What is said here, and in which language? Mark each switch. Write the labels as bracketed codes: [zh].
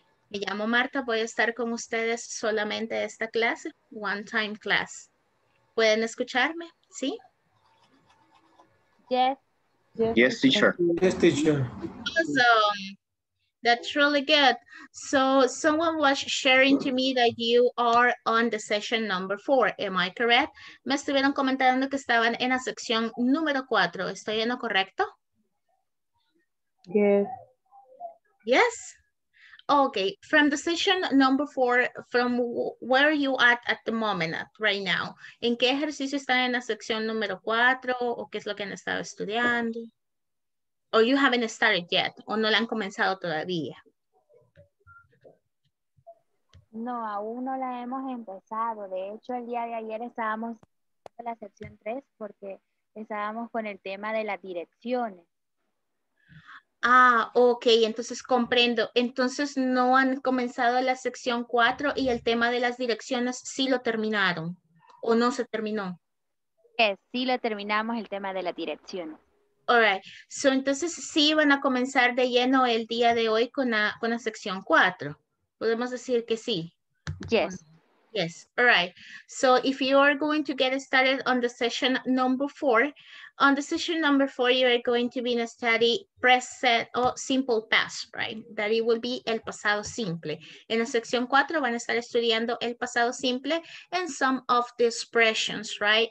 [es] Me llamo Martha, voy a estar con ustedes solamente esta clase, [en] one-time class. [es] ¿Pueden escucharme? ¿Sí? [en] Yes, teacher. Awesome. That's really good. So someone was sharing to me that you are on the session number 4. Am I correct? [es] Me estuvieron comentando que estaban en la sección número 4. ¿Estoy en lo correcto? [en] Yes. Yes? Okay. From the session number 4, from where you at the moment, at right now, [es] ¿en qué ejercicio están en la sección número 4? ¿O qué es lo que han estado estudiando? [en] Or you haven't started yet, [es] o no la han comenzado todavía. No, aún no la hemos empezado. De hecho, el día de ayer estábamos en la sección 3 porque estábamos con el tema de las direcciones. Ah, ok, entonces comprendo. Entonces no han comenzado la sección 4 y el tema de las direcciones sí lo terminaron, o no se terminó. Sí lo terminamos, el tema de las direcciones. [en] All right. [es] So, entonces, sí van a comenzar de lleno el día de hoy con la sección 4. ¿Podemos decir que sí? [en] Yes. Yes. All right. So, if you are going to get started on the session number 4, on the session number 4, you are going to be in a study present or simple past, right? That it will be [es] el pasado simple. En la sección 4 van a estar estudiando el pasado simple [en] and some of the expressions, right?